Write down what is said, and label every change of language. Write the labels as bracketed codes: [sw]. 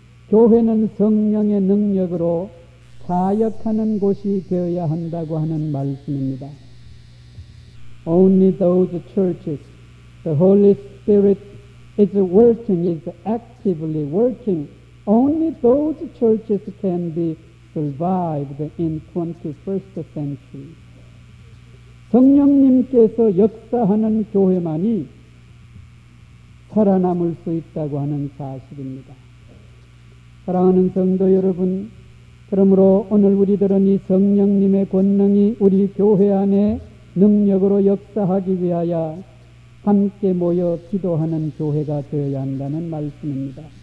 [ko] 교회는 성령의 능력으로 사역하는 곳이 되어야 한다고 하는 말씀입니다. [en] Only those churches, the Holy Spirit is working, is actively working. Only those churches can be survived in 21st century. [ko] 성령님께서 역사하는 교회만이 살아남을 수 있다고 하는 사실입니다. 사랑하는 성도 여러분, 그러므로 오늘 우리들은 이 성령님의 권능이 우리 교회 안에 능력으로 역사하기 위하여 함께 모여 기도하는 교회가 되어야 한다는 말씀입니다.